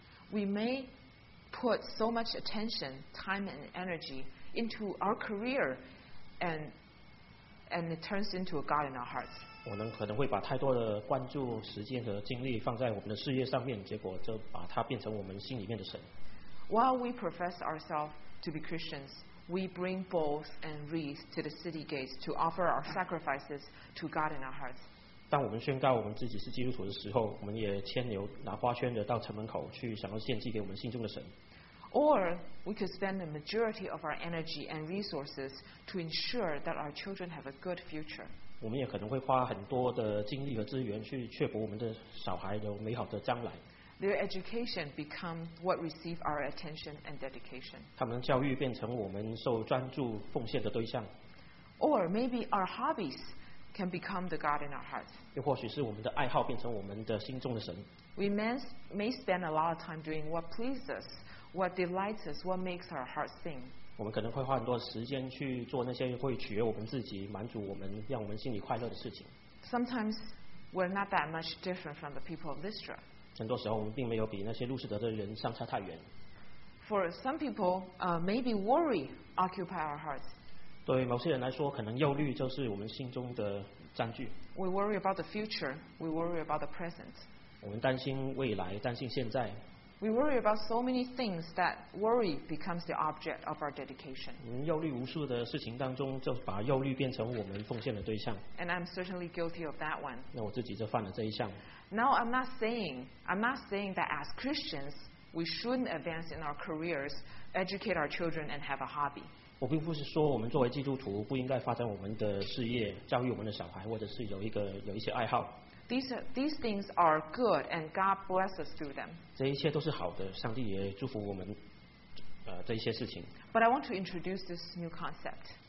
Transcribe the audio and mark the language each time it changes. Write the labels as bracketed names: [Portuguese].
[English] We may. Put so much attention, time, and energy into our career, and it turns into a god in our hearts. [Chinese] 我们可能会把太多的关注、时间和精力放在我们的事业上面，结果就把它变成我们心里面的神。 [English] While we profess ourselves to be Christians, we bring bowls and wreaths to the city gates to offer our sacrifices to God in our hearts. [Chinese] 当我们宣告我们自己是基督徒的时候，我们也牵牛拿花圈的到城门口去，想要献祭给我们心中的神。 [English] Or we could spend the majority of our energy and resources to ensure that our children have a good future. [Chinese] 我们也可能会花很多的精力和资源去确保我们的小孩有美好的将来。 [English] Their education becomes what receives our attention and dedication. [Chinese] 他们的教育变成我们受专注奉献的对象。 [English] Or maybe our hobbies. Can become the God in our hearts. [Chinese] 又或许是我们的爱好变成我们的心中的神。 [English] We may spend a lot of time doing what pleases us, what delights us, what makes our hearts sing. [Chinese] 我们可能会花很多时间去做那些会取悦我们自己、满足我们、让我们心里快乐的事情。 [English] Sometimes we're not that much different from the people of Lystra. [Chinese] 很多时候我们并没有比那些路士德的人相差太远。 [English] For some people, maybe worry occupy our hearts. [Chinese] 对某些人来说，可能忧虑就是我们心中的占据。 [English] We worry about the future. We worry about the present. [Chinese] 我们担心未来，担心现在。 [English] We worry about so many things that worry becomes the object of our dedication. [Chinese] 我们忧虑无数的事情当中，就把忧虑变成我们奉献的对象。 [English] And I'm certainly guilty of that one. [Chinese] 那我自己就犯了这一项。 [English] Now I'm not saying that as Christians we shouldn't advance in our careers, educate our children, and have a hobby. [Chinese] 我并不是说我们作为基督徒不应该发展我们的事业，教育我们的小孩，或者是有一些爱好。 [English] These things are good, and God blesses through them. [Chinese] 这一切都是好的，上帝也祝福我们，这一些事情。 [English] But I want to introduce this new concept.